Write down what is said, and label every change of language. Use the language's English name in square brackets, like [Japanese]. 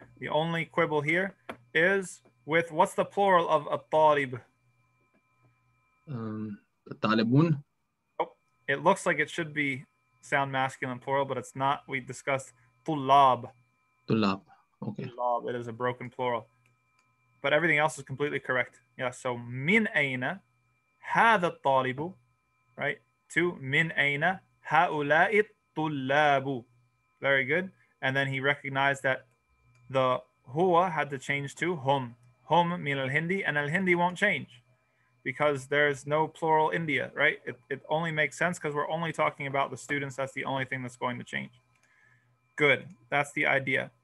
[English] The only quibble here is with what's the plural of الطالب? [Arabic] الطالبون. [English] It looks like it should be sound masculine plural, but it's not. We discussed طلاب. طلاب. Okay. طلاب. It is a broken plural. But everything else is completely correct. Yeah, so [Arabic] من أين هذا الطالب, [English] right? [Arabic] To من أين هؤلاء الطلاب. [English] Very good. And then he recognized that the هو had to change to هم. [Arabic] هم من الهندي, [English] and الهندي won't change because there's no plural India, right? It only makes sense because we're only talking about the students. That's the only thing that's going to change. Good. That's the idea.